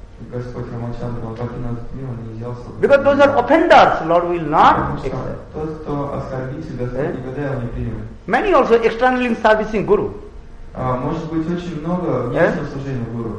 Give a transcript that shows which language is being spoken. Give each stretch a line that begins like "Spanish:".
Russian: Господь Рамачандра, он так и наступил, он не взялся.
English: Because those are offenders, Lord will not accept.
Russian: Потому что тот, кто оскорбитель, Господь никогда его не примет.
English: Many also externally servicing Guru.
Russian: Может быть очень много внешнего служения Гуру.